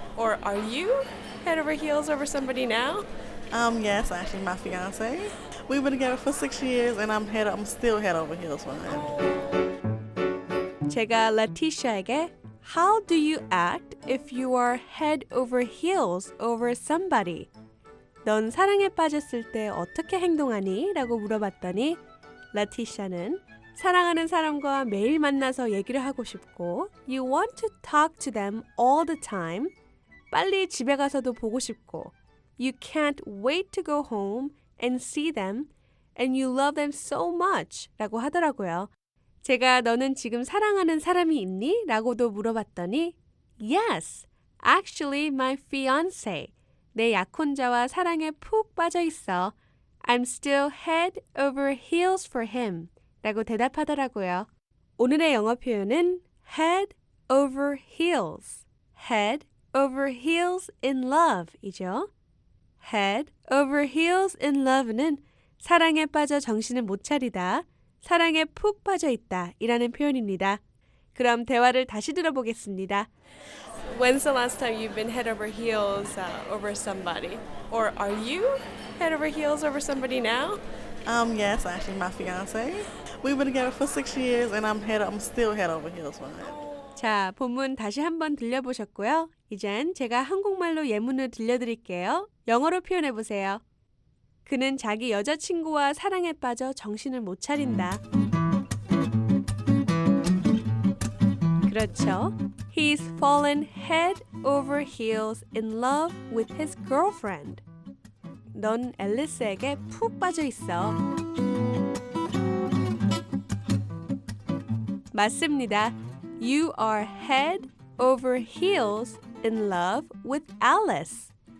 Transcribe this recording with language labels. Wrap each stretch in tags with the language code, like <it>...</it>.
<en>Or are you head over heels over somebody now? Yes, actually, my fiance. We've been together for 6 years, and I'm still head over heels for him.</en> <ko>제가 라티샤에게</ko> <en>How do you act if you are head over heels over somebody?</en> <ko>넌 사랑에 빠졌을 때 어떻게 행동하니? 라고 물어봤더니 라티샤는 사랑하는 사람과 매일 만나서 얘기를 하고 싶고</ko> <en>You want to talk to them all the time.</en> <ko>빨리 집에 가서도 보고 싶고</ko> <en>You can't wait to go home and see them and you love them so much</en> <ko>라고 하더라고요. 제가 너는 지금 사랑하는 사람이 있니? 라고도 물어봤더니</ko> <en>Yes, actually my fiance.</en> <ko>내 약혼자와 사랑에 푹 빠져 있어.</ko> <en>I'm still head over heels for him.</en> <ko>라고 대답하더라고요. 오늘의 영어 표현은 head over heels. Head over heels in love이죠. Head over heels in love는 사랑에 빠져 정신을 못 차리다, 사랑에 푹 빠져 있다 이라는 표현입니다. 그럼 대화를 다시 들어보겠습니다.</ko> <en>When's the last time you've been head over heels over somebody? Or are you head over heels over somebody now? Yes, actually my fiance. We've been together for 6 years and I'm still head over heels for him.</en> <ko>자, 본문 다시 한번 들려보셨고요. 이젠 제가 한국말로 예문을 들려드릴게요. 영어로 표현해보세요. 그는 자기 여자친구와 사랑에 빠져 정신을 못 차린다. 그렇죠.</ko> <en>He's fallen head over heels in love with his girlfriend.</en> <ko>넌 앨리스에게 푹 빠져 있어. 맞습니다.</ko> <en>You are head over heels in love with Alice.</en>